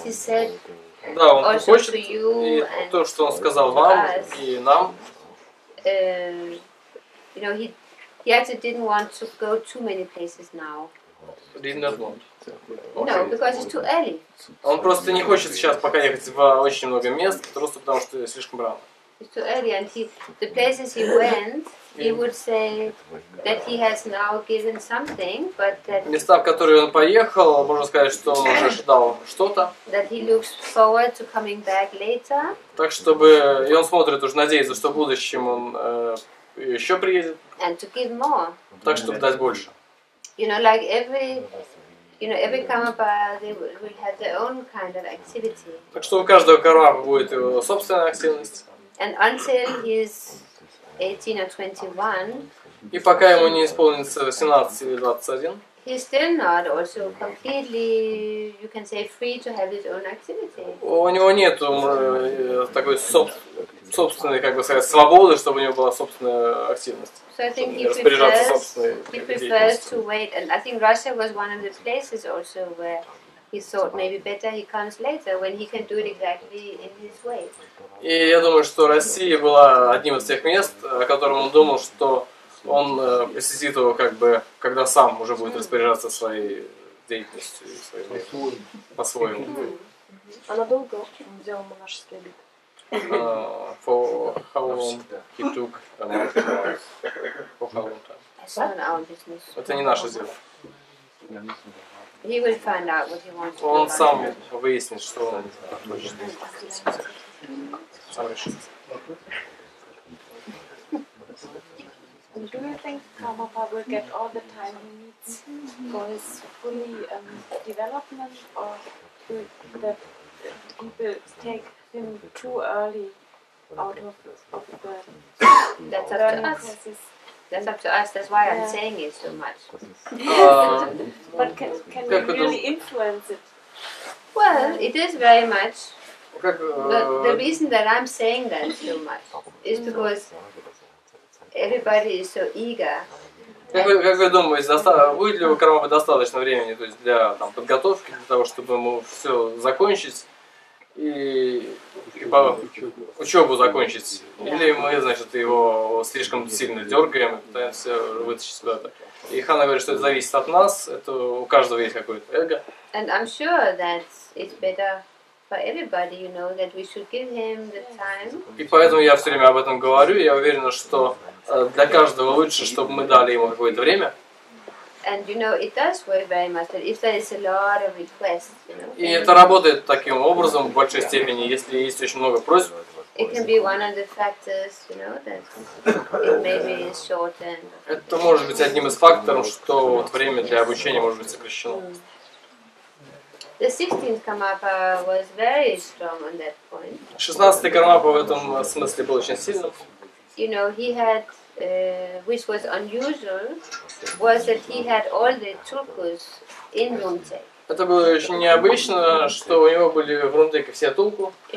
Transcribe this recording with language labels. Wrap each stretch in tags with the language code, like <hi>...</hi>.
<en>No, he wants to, you know, I mean, what he said also to you and</en> <ru>то, что он сказал вам и нам.</ru> <en>You know, he actually didn't want to go too many places now. Did not want. No, because it's too early.</en> <ru>Он просто не хочет сейчас пока ехать в очень много мест, просто потому что слишком рано.</ru> <en>It's too early, and he, the places he went, he would say that he has now given something, but that.</en> <ru>Места, в которые он поехал, можно сказать, что он уже ждал что-то.</ru> <en>That he looks forward to coming back later.</en> <ru>Так чтобы и он смотрит уже надеется, что в будущем он еще приедет.</ru> <en>And to give more.</en> <ru>Так чтобы дать больше.</ru> <en>You know, like every. You know, every karmapa they will have their own kind of activity.</en> <ru>Так что у каждого карапа будет его собственная активность.</ru> <en>And until he's 18 or 21,</en> <ru>и пока ему не исполнится 18 или 21,</ru> <en>he's still not also completely, you can say, free to have his own activity.</en> <ru>У него нет такой собственной, как бы сказать, свободы, чтобы у него была собственная активность.</ru> <en>So I think he prefers to wait, and I think Russia was one of the places also where he thought maybe better he comes later when he can do it exactly in his way.</en> <ru>И я думаю, что Россия была одним из тех мест, о котором он думал, что он посетит его как бы, когда сам уже будет распоряжаться своей деятельностью, своей, по-своему. А надолго он взял монашеский обет?</ru> <en>For how long he took a monastery? For how long time?</en> <ru>Это не наше дело.</ru> <en>He will find out what he wants.</en> <ru>Он сам выяснит, что он хочет делать.</ru> <en>Do you think Karmapa will get all the time he needs for his fully development, or do the people take him too early out of the that's up to us. Process? That's up to us. That's why I'm saying it so much. But can we really influence it? Well, it is very much. But the reason that I'm saying that so much is because everybody is so eager.</en> <ru>Как вы думаете, будет ли у Карамапы достаточно времени, то есть для там подготовки, для того, чтобы ему все закончить и учебу закончить? Или мы, значит, его слишком сильно дергаем и пытаемся вытащить куда-то? И Хана говорит, что это зависит от нас, это у каждого есть какое-то эго.</ru> <en>And I'm sure that it's better for everybody, you know, that we should give him the time.</en> <ru>И поэтому я все время об этом говорю. Я уверен, что для каждого лучше, чтобы мы дали ему какое-то время.</ru> <en>And you know, it does work very much. If there is a lot of requests, you know.</en> <ru>И это работает таким образом в большей степени, если есть очень много просьб.</ru> <en>It can be one of the factors, you know, that it may be shortened.</en> <ru>Это может быть одним из факторов, что вот время для обучения может быть сокращено.</ru> <en>The 16th Karmapa was very strong on that point.</en> <ru>16-й Кармапа в этом смысле был очень сильным.</ru> <en>You know, he had, which was unusual, was that he had all the tulkus in Rumte.</en> <ru>Это было очень необычно, что у него были в Рундеке все тулку.</ru>